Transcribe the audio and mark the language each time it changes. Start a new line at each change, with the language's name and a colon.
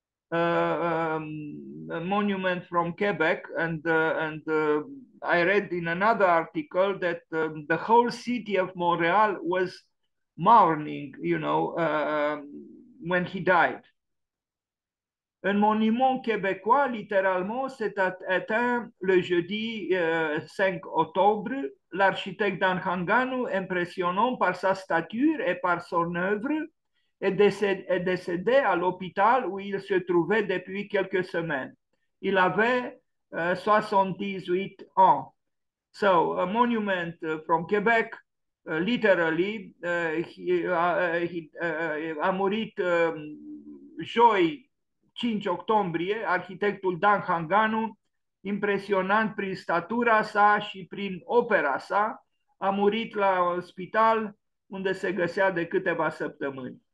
English: A monument from Quebec, I read in another article that the whole city of Montreal was mourning, you know, when he died.
French: Un monument québécois, littéralement, s'est atteint le jeudi 5 octobre. L'architecte Dan Hanganu, impressionnant par sa stature et par son œuvre, est décédé à l'hôpital où il se trouvait depuis quelques semaines. Il avait 78 ans.
English: So, a monument from Quebec, literally,
Romanian: he a murit joi 5 octombrie, arhitectul Dan Hanganu, impresionant prin statura sa și prin opera sa, a murit la spital unde se găsea de câteva săptămâni.